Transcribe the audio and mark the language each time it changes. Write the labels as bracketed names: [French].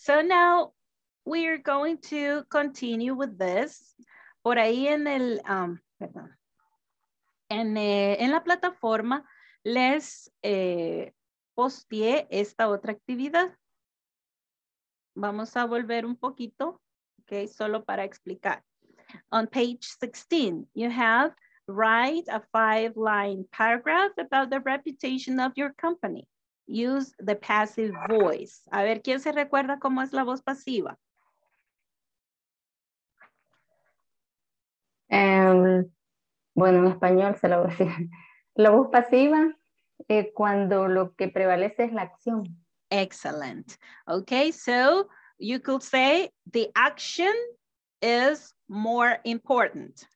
[English] So now we are going to continue with this. [Spanish] Por ahí en el, perdón. En la plataforma les posteé esta otra actividad. Vamos a volver un poquito. Okay, solo para explicar. [English] On page 16, you have write a 5-line paragraph about the reputation of your company. Use the passive voice. [Spanish] A ver, ¿quién se recuerda cómo es la voz pasiva? Bueno, en español se lo voy a decir. La voz pasiva, cuando lo que prevalece es la acción. [English] Excellent. Okay, so... you could say the action is more important.